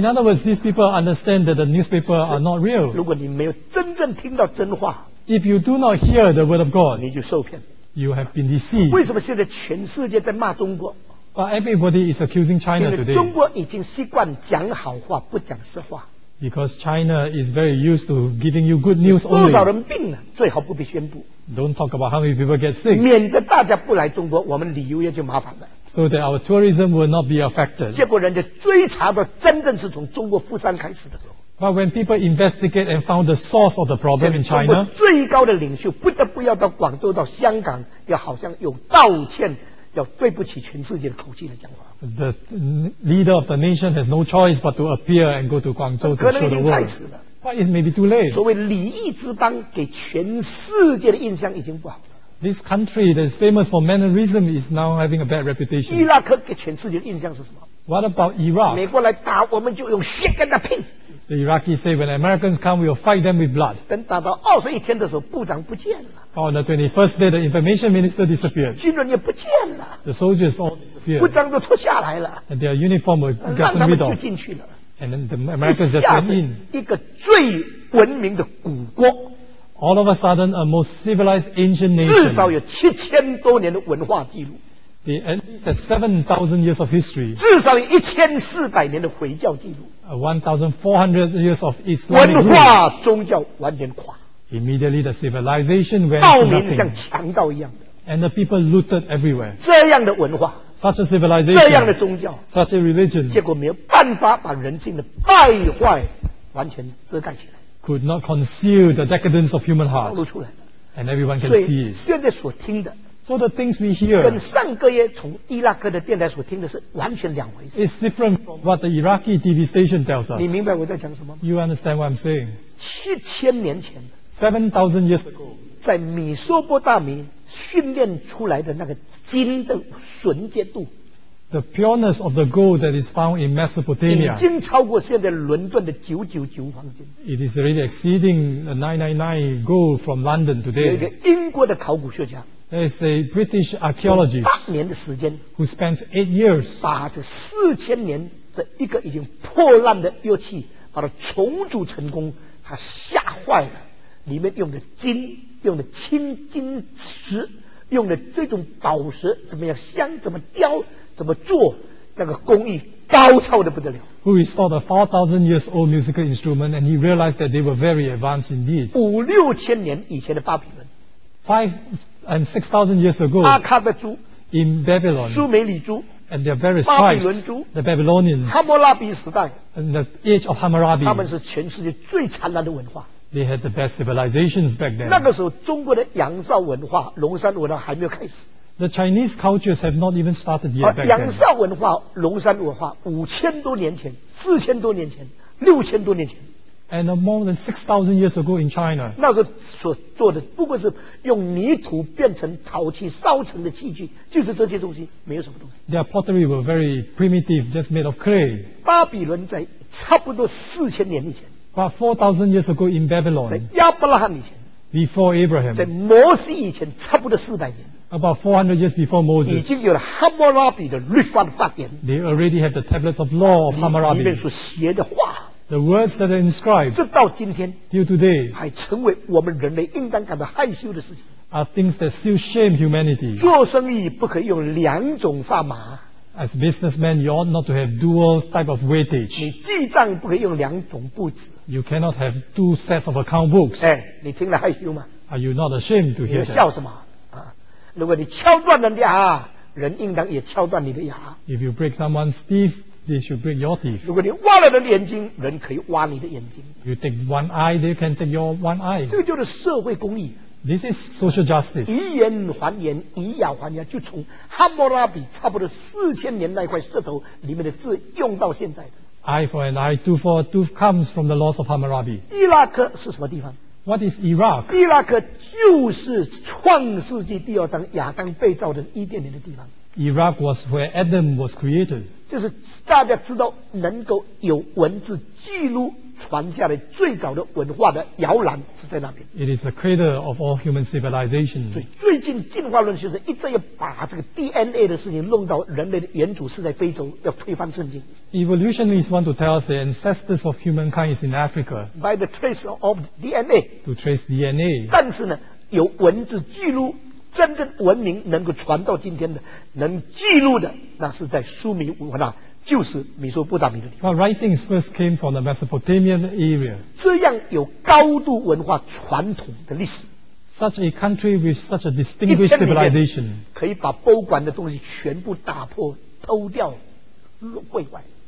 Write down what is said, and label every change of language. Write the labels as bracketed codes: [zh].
[en] In other words, these people understand that the newspaper are not real. [zh] 如果你没有真正听到真话 [en] ，If you do not hear the word of God, [zh] 你就受骗。 [en] You have been deceived. [zh] 为什么现在全世界在骂中国？ [en] But everybody is accusing China today. [zh] 因为中国已经习惯讲好话不讲实话。 [en] Because China is very used to giving you good news only. [zh] 多少人病了，最好不必宣布。 [en] Don't talk about how many people get sick. [zh] 免得大家不来中国，我们旅游业就麻烦了。 [en] So that our tourism will not be affected. [zh] 结果人家追查的真正是从中国富商开始的时候。 [en] But when people investigate and found the source of the problem in China, [zh] 最高的领袖不得不要到广州、到香港，要好像有道歉、要对不起全世界的口气来讲话。 [en] The leader of the nation has no choice but to appear and go to Guangzhou to show the world. [zh] 可能已经太迟了。 [en] But it may be too late. [zh] 所谓礼义之邦，给全世界的印象已经不好了。 [en] This country that is famous for mannerism is now having a bad reputation. [zh] 伊拉克给全世界的印象是什么 [en] ？What about Iraq? [zh] 美国来打，我们就用血跟他拼。 [en] The Iraqis say when Americans come, we will fight them with blood. [zh] 等打到二十一天的时候，部长不见了。 [en] On the 21st day, the information minister disappeared. [zh] 军人也不见了。 [en] The soldiers all disappeared. [zh] 部长都脱下来了。 [en] And their uniform were gotten rid of. [zh] 让他们就进去了。 [en] And then the Americans just went in. [zh] 一个最文明的古国。 [en] All of a sudden, a most civilized ancient nation. [zh] 至少有7000多年的文化记录。 [en] The end is at 7,000 years of history. [zh] 至少有1400年的回教记录。 [en] 1,400 years of Islam. [zh] 文化宗教完全垮。 [en] Immediately, the civilization went. [zh] 盗民像强盗一样的。 [en] And the people looted everywhere. [zh] 这样的文化。 [en] Such a civilization. [zh] 这样的宗教。 [en] Such a religion. [zh] 结果没有办法把人性的败坏完全遮盖起来。 [en] Could not conceal the decadence of human hearts. [zh] 暴露出来了。 [en] And everyone can see it. [zh] 现在所听的。 [en] So the things we hear [zh] 跟上个月从伊拉克的电台所听的是完全两回事。 [en] It's different from what the Iraqi TV station tells us. [zh] 你明白我在讲什么吗？ [en] You understand what I'm saying? [zh] 7000年前 [en] 7000 years ago [zh] 在米索波大米训练出来的那个金的纯洁度， [en] The pureness of the gold that is found in Mesopotamia [zh] 已经超过现在伦敦的999黄金。 [en] It is already exceeding the 999 gold from London today. [zh] 有一个英国的考古学家 [en] There is a British archaeologist [zh] 八年的时间 [en] who spends 8 years [zh] 把这四千年的一个已经破烂的乐器把它重组成功，他吓坏了，里面用的金，用的青金石，用的这种宝石怎么样镶，怎么雕，怎么做，那个工艺高超的不得了。 [en] Who installed a 4,000 years old musical instrument, and he realized that they were very advanced indeed. [zh] 5,000-6,000年以前的巴比伦。 [en] 5,000 and 6,000 years ago. [zh] 阿卡的珠。 [en] In Babylon. [zh] 苏美里珠。 [en] And their various types. [zh] 巴比伦珠。 [en] The Babylonians. [zh] 哈摩拉比时代。 [en] And the age of Hammurabi. [zh] 他们是全世界最灿烂的文化。 [en] They had the best civilizations back then. [zh] 那个时候，中国的仰韶文化、龙山文化还没有开始。 [en] The Chinese cultures have not even started yet. [zh] 仰韶文化、龙山文化，5000多年前、4000多年前、6000多年前。 [en] And more than 6,000 years ago in China. [zh] 那个所做的，不过是用泥土变成陶器烧成的器具，就是这些东西，没有什么东西。 [en] Their pottery were very primitive, just made of clay. [zh] 巴比伦在差不多4000年以前。 [en] About 4,000 years ago in Babylon, [zh] 在亚伯拉罕以前 [en] before Abraham, [zh] 在摩西以前差不多400年 [en] about 400 years before Moses, [zh] 已经有了 Hammurabi 的律法的法典 [en] they already have the tablets of law of Hammurabi, [zh] 里面所写的话 [en] the words that are inscribed, [zh] 直到今天 [en] till today, [zh] 还成为我们人类应当感到害羞的事情 [en] are things that still shame humanity, [zh] 做生意不可以用两种砝码 [en] As businessmen, you ought not to have dual type of weightage. [zh] 你记账不可以用两种簿子。 [en] You cannot have two sets of account books. [zh] 哎，你听了害羞吗 [en] ？Are you not ashamed to hear that? [zh] 你笑什么？啊，如果你敲断人家牙，人应当也敲断你的牙。 [en] If you break someone's teeth, they should break your teeth. [zh] 如果你挖了人的眼睛，人可以挖你的眼睛。 [en] You take one eye, they can take your one eye. [zh] 这个就是社会公义。 [en] This is social justice. [zh] 以眼还眼，以牙还牙，就从哈摩拉比差不多4000年那块石头里面的字用到现在的。 [en] Eye for an eye, tooth for a tooth comes from the laws of Hammurabi. [zh] 伊拉克是什么地方 [en] ？What is Iraq? [zh] 伊拉克就是创世纪第二章亚当被造的伊甸园的地方。 [en] Iraq was where Adam was created. [zh] 就是大家知道能够有文字记录。传下来最早的文化的摇篮是在那边。 [en] It is the cradle of all human civilization. [zh] 所以最近进化论学者一直要把这个 DNA 的事情弄到人类的原祖是在非洲，要推翻圣经。 [en] Evolutionists want to tell us the ancestors of humankind is in Africa. By the trace of DNA. To trace DNA. [zh] 但是呢，有文字记录真正文明能够传到今天的，能记录的，那是在苏美文化。就是米索波达米的地方。 [en] Well, writings first came from the Mesopotamian area. [zh] 这样有高度文化传统的历史。 [en] Such a country with such a distinguished civilization. [zh] 可以把博物馆的东西全部打破、偷掉、毁坏。